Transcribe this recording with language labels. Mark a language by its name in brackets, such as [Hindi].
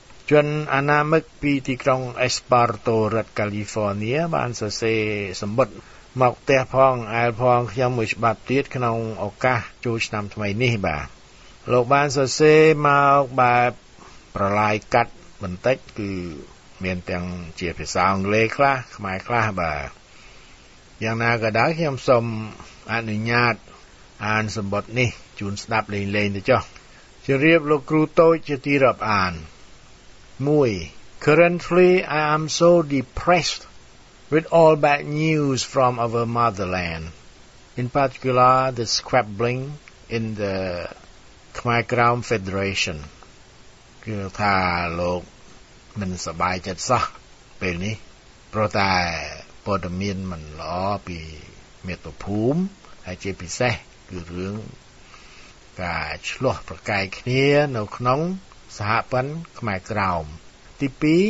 [Khmer] ជនអនាមិកពីទីក្រុងអេសប៉ាតូរ៉ាត់កាលីហ្វ័រនីបានសរសេរសម្បត្តិមកផ្ទះផងអែលផងខ្ញុំមួយច្បាប់ទៀតក្នុងឱកាសចូលឆ្នាំថ្មីនេះបាទលោកបានសរសេរមកបែបប្រឡាយកាត់បន្តិចគឺមានទាំងជាភាសាអង់គ្លេសខ្លះខ្មែរខ្លះបាទ យ៉ាងណាក៏ដោយខ្ញុំសូមអនុញ្ញាតអានសម្បត្តិនេះជូនស្ដាប់លេងលេងទៅចុះជម្រាបលោកគ្រូតូចជាទីរាប់អាន1. [English] Currently, I am so depressed with all bad news from our motherland, in particular the squabbling in the Khmer Krom Federation. [Khmer] គឺថាលោកមិនសប្បាយចិត្តសោះពេលនេះព្រោះតែព័ត៌មានមិនល្អពីមាតុភូមិហើយជាពិសេសគឺរឿងការឆ្លោះប្រកែកគ្នានៅក្នុងសហព័ន្ធខ្មែរក្រោមទី2